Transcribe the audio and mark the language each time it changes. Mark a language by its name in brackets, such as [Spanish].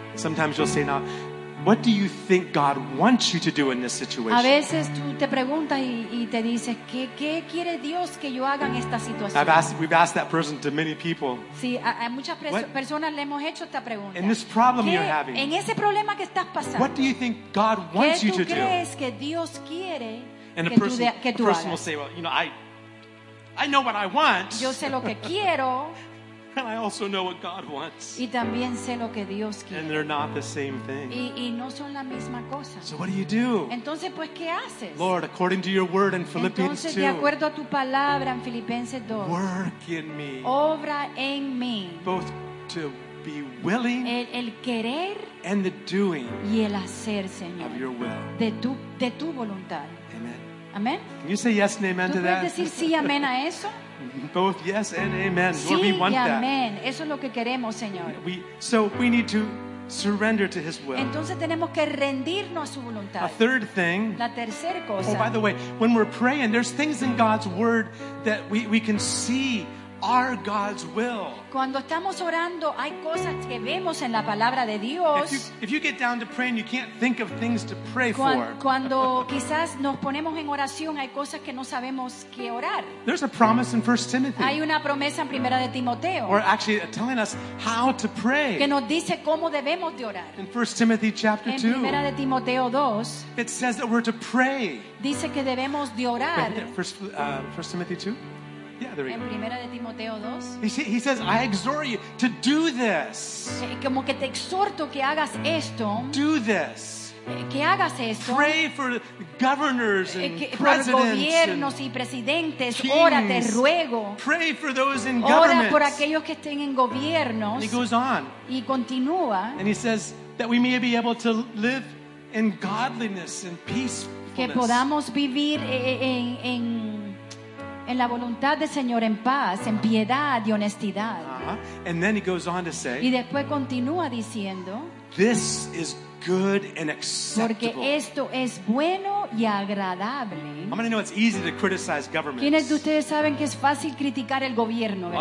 [English] Sometimes you'll say, now, what do you think God wants you to do in this situation? [Spanish] A veces tú te preguntas y te dices, ¿qué quiere Dios que yo haga en esta situación? [English] We've asked that person to many people. [Spanish] Sí, a muchas personas le hemos hecho esta pregunta. [English] In this problem you're having. [Spanish] En ese problema que estás pasando. [English] What do you think God wants you to do? [Spanish] ¿Qué tú crees que Dios quiere que tú hagas? [English] A person will say, well, you know, I know what I want. [Spanish] Yo sé lo que quiero. [English] And I also know what God wants. [Spanish] Y también sé lo que Dios quiere. [English] And they're not the same thing. [Spanish] Y no son la misma cosa. [English] So what do you do? [Spanish] Entonces, pues, ¿qué haces? [English] Lord, according to your word in Philippians 2. [Spanish] Entonces, de acuerdo a tu palabra en Filipenses 2. [English] Work in me. [Spanish] Obra en mí. [English] Both to be willing. [Spanish] El querer. [English] And the doing. [Spanish] Y el hacer, Señor. [English] Of your will. [Spanish] De tu voluntad. [English] Amen. [Spanish] Amen. [English] Can you say yes and amen to that? [Spanish] ¿Puedes decir sí, amén a eso? [English] Both yes and amen. [Spanish] Sí, [English] Lord, we want [Spanish] y [English] amen. That. [Spanish] Eso es lo que queremos, Señor. [English] So we need to surrender to his will. [Spanish] Entonces tenemos que rendirnos a su voluntad. [English] A third thing. [Spanish] La tercera cosa. [English] Oh, by the way, when we're praying, there's things in God's word that we can see are God's will. [Spanish] Cuando estamos orando, hay cosas que vemos en la palabra de Dios. [English] If you get down to praying, you can't think of things to pray for. [Spanish] Cuando quizás nos ponemos en oración, hay cosas que no sabemos qué orar. [English] There's a promise in 1 Timothy. [Spanish] Hay una promesa en Primera de Timoteo. [English] Or actually telling us how to pray. [Spanish] Que nos dice cómo debemos de orar. [English] In 1 Timothy chapter 2. [Spanish] En Primera de Timoteo 2. [English] It says that we're to pray. [Spanish] Dice que debemos de orar. [English] First Timothy 2. Yeah, there we go. [Spanish] En Primera de Timoteo 2. [English] He says, I exhort you to do this. [Spanish] Como que te exhorto que hagas esto. [English] Do this. [Spanish] Que hagas esto. [English] Pray for governors and presidents. [Spanish] Por gobiernos y presidentes. Ora, te ruego. [English] Pray for those in governments. [Spanish] Ora por aquellos que estén en gobiernos. [English] And he goes on. [Spanish] Y continúa. [English] And he says that we may be able to live in godliness and peacefulness. [Spanish] Que podamos vivir en la voluntad del Señor, en paz, en piedad y honestidad. [English] Uh-huh. And then he goes on to say, [Spanish] y después continúa diciendo, [English] this is good and acceptable. [Spanish] Porque esto es bueno y agradable. [English] How many know it's easy to criticize governments? [Spanish] ¿Quiénes de ustedes saben que es fácil criticar el gobierno, verdad?